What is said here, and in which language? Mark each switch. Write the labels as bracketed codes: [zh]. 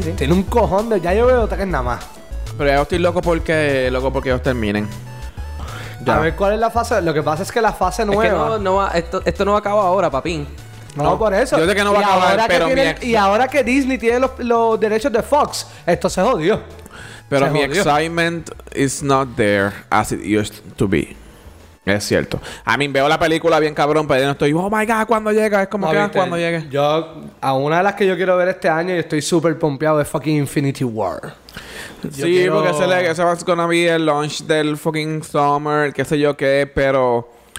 [es] Tiene un cojón de. Ya yo veo tres nada más. Pero ya estoy loco porque ellos terminen. Ya. A ver cuál es la fase. Lo que pasa es que la fase nueva. Es que esto no acaba ahora, papín. No, por eso. Yo sé que no va a acabar, pero y ahora que Disney tiene los derechos de Fox, esto se jodió. Pero mi [en] excitement is not there as it used to be. [es] Es cierto. A mí veo la película bien cabrón, pero yo no estoy, [en] oh my God, [es] ¿cuándo llega? Es como, no, que viste, ¿cuándo llega? Yo, a una de las que yo quiero ver este año y estoy súper pompeado es fucking Infinity War. Sí, quiero... porque ese va a ser el launch del fucking summer, qué sé yo qué, pero...